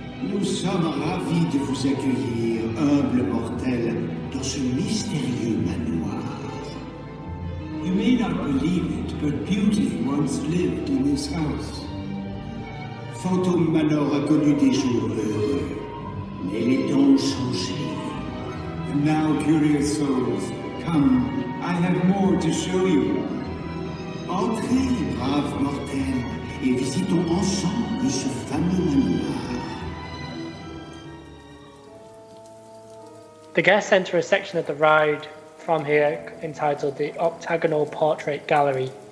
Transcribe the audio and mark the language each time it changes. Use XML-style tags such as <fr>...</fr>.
<fr>Nous sommes ravis de vous accueillir, humble mortel, dans ce mystérieux manoir.</fr> <en>You may not believe it, but beauty once lived in this house.</en> <fr>Phantom Manor a connu des jours heureux, mais les temps ont changé.</fr> <en>And now, curious souls, come, I have more to show you.</en> <fr>Entrez, brave mortel, et visitons ensemble ce fameux manoir.</fr> <en>The guests enter a section of the ride from here entitled the Octagonal Portrait Gallery.</en>